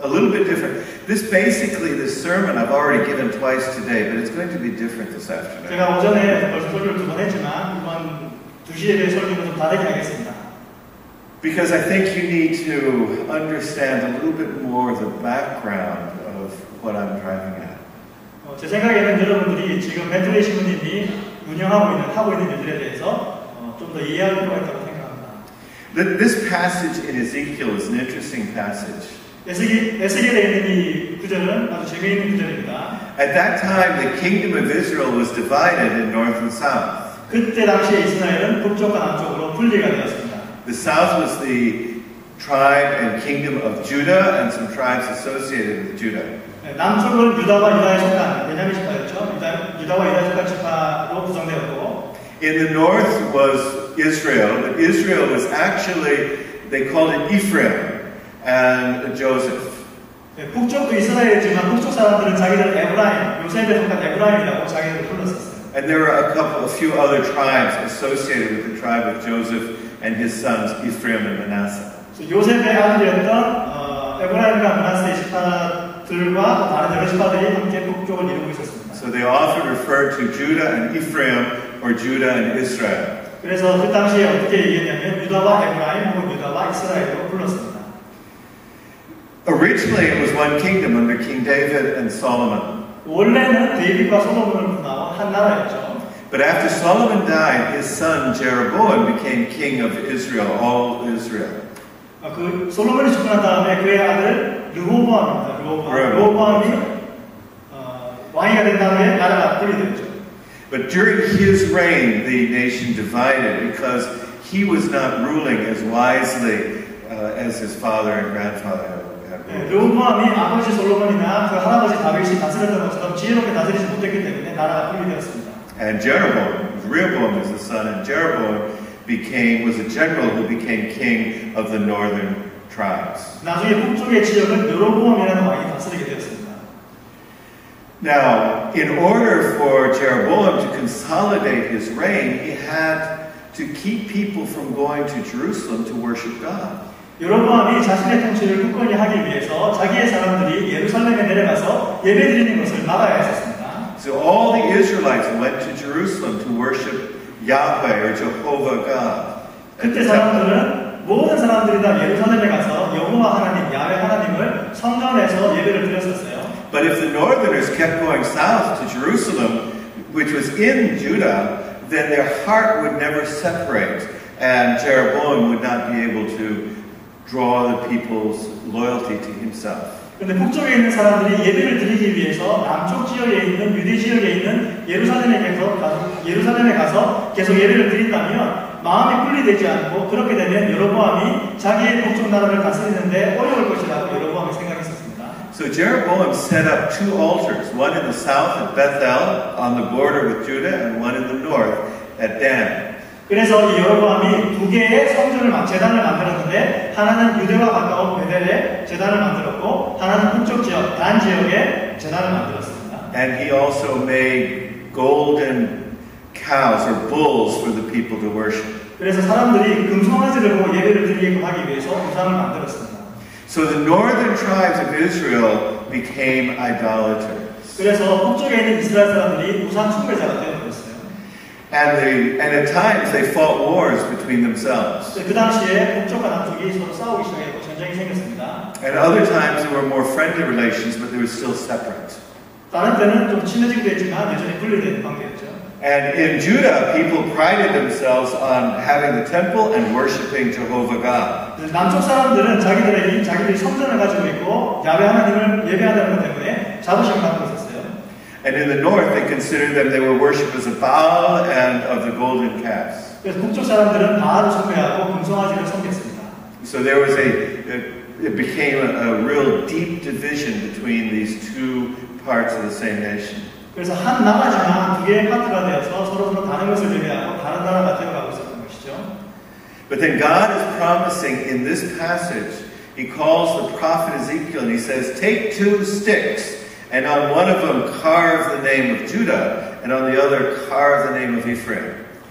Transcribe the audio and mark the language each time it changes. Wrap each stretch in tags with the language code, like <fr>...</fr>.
<en>a little bit different. This basically, this sermon I've already given twice today, but it's going to be different this afternoon.</en> <ko>제가 오전에 설교를 두 번 했지만 이번 두 시에 대해 설교는 좀 다르게 하겠습니다.</ko> <en>Because I think you need to understand a little bit more of the background of what I'm driving at.</en> <ko>제 생각에는 여러분들이 지금 매트리 신부님이 운영하고 있는 일들에 대해서 좀 더 이해할 필요가 있다고 생각합니다.</ko> <en>This passage in Ezekiel is an interesting passage.</en> <ko>에스겔에 있는 이 구절은 아주 재미있는 구절입니다.</ko> <en>At that time, the kingdom of Israel was divided in north and south.</en> <ko>그때 당시 이스라엘은 북쪽과 남쪽으로 분리가 되었습니다.</ko> <en>The south was the tribe and kingdom of Judah and some tribes associated with Judah.</en> <ko>남쪽은 유다와 유다의 족장, 베냐민 지파였죠. 유다와 유다의 족장 지파로 구성되었고.</ko> <en>In the north was Israel, but Israel was actually, they called it Ephraim and Joseph.</en> <ko>북쪽도 이스라엘이지만 북쪽 사람들은 자기들 에브라임, 요셉의 족장 에브라임이라고 자기들 불렀었어요.</ko> <en>And there were a few other tribes associated with the tribe of Joseph and his sons Ephraim and Manasseh.</en> <ko>So 요셉의 아들이었던 에브라임과 므낫세 지파들과 다른 여러 지파들이 함께 북쪽을 이루고 있었습니다.</ko> <en>So they often referred to Judah and Ephraim or Judah and Israel.</en> <ko>그래서 그 당시에 어떻게 얘기했냐면 유다와 에브라임 혹은 유다와 이스라엘로 불렀습니다.</ko> <en>Originally it was one kingdom under King David and Solomon.</en> <ko>원래는 데이빗과 솔로몬으로 나온 한 나라였죠.</ko> <en>But after Solomon died, his son Jeroboam became king of Israel, all Israel.</en> <ko>그 솔로몬이 죽고 난 다음에 그의 아들 르호보암이 왕이가 된 다음에 나라가 분리됐죠.</ko> <en>But during his reign, the nation divided because he was not ruling as wisely as his father and grandfather.</en> <ko>르호보암이 아버지 솔로몬이나 그 할아버지 다윗이 다스렸던 것처럼 지혜롭게 다스리지 못했기 때문에 나라가 분리되었습니다.</ko> <en>And Jeroboam, Rehoboam is the son, and Jeroboam was a general who became king of the northern tribes.</en> <ko>나중에 북쪽의 지역은 여로보암이라는 왕이 다스리게 되었습니다.</ko> <en>Now, in order for Jeroboam to consolidate his reign, he had to keep people from going to Jerusalem to worship God.</en> <ko>여로보암이 자신의 통치를 굳건히 하기 위해서 자기의 사람들이 예루살렘에 내려가서 예배드리는 것을 막아야 했었습니다.</ko> <en>So all the Israelites went to Jerusalem to worship Yahweh or Jehovah God.</en> <ko>그때 사람들은 모든 사람들이 다 예루살렘에 가서 여호와 하나님, 야훼 하나님을 성전에서 예배를 드렸었어요.</ko> <en>But if the northerners kept going south to Jerusalem, which was in Judah, then their heart would never separate, and Jeroboam would not be able to draw the people's loyalty to himself.</en> <ko>근데 북쪽에 있는 사람들이 예배를 드리기 위해서 남쪽 지역에 있는 유대 지역에 있는 예루살렘에 가서 계속 예배를 드린다면 마음이 분리되지 않고 그렇게 되면 여로보암이 자기의 북쪽 나라를 다스리는데 어려울 것이라고 여로보암이 생각했었습니다.</ko> <en>So Jeroboam set up two altars, one in the south at Bethel on the border with Judah, and one in the north at Dan.</en> <ko>그래서 이 여로보암이 두 개의 성전을 제단을 만들었는데 하나는 유대와 가까운 베델에 제단을 만들었고 하나는 북쪽 지역 단 지역에 제단을 만들었습니다.</ko> <en>And he also made golden cows or bulls for the people to worship.</en> <ko>그래서 사람들이 금송아지를 보고 예배를 드리게끔 하기 위해서 우상을 만들었습니다.</ko> <en>So the northern tribes of Israel became idolaters.</en> <ko>그래서 북쪽에 있는 이스라엘 사람들이 우상 숭배자가 되었.</ko> <en>And at times they fought wars between themselves.</en> <ko>그 당시에 북쪽과 남쪽이 서로 싸우기 시작했고 전쟁이 생겼습니다.</ko> <en>And other times there were more friendly relations, but they were still separate.</en> <ko>다른 때는 좀 친해지기도 했지만 여전히 분리된 관계였죠.</ko> <en>And in Judah, people prided themselves on having the temple and worshiping Jehovah God.</en> <ko>남쪽 사람들은 자기들이 성전을 가지고 있고 야훼 하나님을 예배하다는 것 때문에 자부심 갖고 있었어요.</ko> <en>And in the north, they considered that they were worshippers of Baal and of the golden calves.</en> <ko>그래서 북쪽 사람들은 바알을 숭배하고 금송아지를 섬겼습니다.</ko> <en>So there was it became a real deep division between these two parts of the same nation.</en> <ko>그래서 한 나라지만 두 개의 파트가 되어서 서로 다른 것을 예배하고 다른 나라가 되어가고 있었던 것이죠.</ko> <en>But then God is promising in this passage. He calls the prophet Ezekiel and he says, "Take two sticks." And on one of them carve the name of Judah, and on the other carve the name of Ephraim.</en>